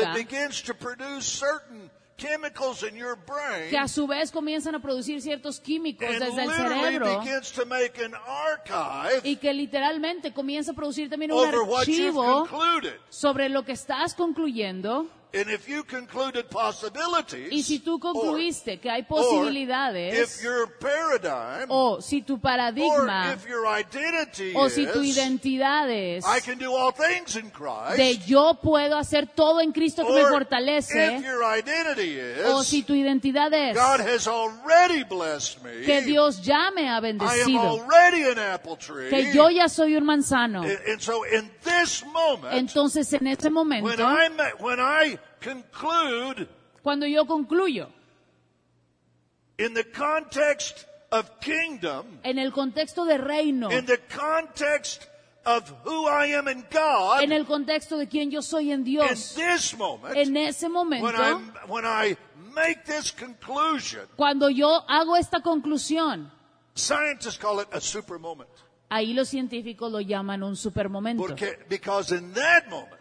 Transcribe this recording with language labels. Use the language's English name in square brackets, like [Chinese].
[English] that begins to produce certain chemicals in your brain. [Spanish] Que a su vez comienzan a producir ciertos químicos desde el cerebro. [English] And literally begins to make an archive. [Spanish] Y que literalmente comienza a producir también un archivo sobre lo que estás concluyendo. [English] And if you concluded possibilities, [Spanish] y si tú concluiste que hay posibilidades, [English] if your paradigm, [Spanish] o si tu paradigma, [English] or if your identity [Spanish] o si tu identidad es, [English] I can do all things in Christ, [Spanish] de yo puedo hacer todo en Cristo que [English] or [Spanish] me fortalece, [English] if your identity is, [Spanish] o si tu identidad es, [English] God has already blessed me, [Spanish] que Dios ya me ha bendecido, [English] I am already an apple tree, [Spanish] que yo ya soy un manzano. [English] And so in this moment, [Spanish] entonces en ese momento, [English] conclude, [Spanish] cuando yo concluyo, [English] in the context of kingdom, [Spanish] en el contexto de reino, [English] in the context of who I am in God, [Spanish] en el contexto de quién yo soy en Dios, [English] in this moment, [Spanish] en ese momento, [English] when I make this conclusion, [Spanish] cuando yo hago esta conclusión, [English] scientists call it a super moment. [Spanish] Ahí los científicos lo llaman un supermomento. [English] Because in that moment,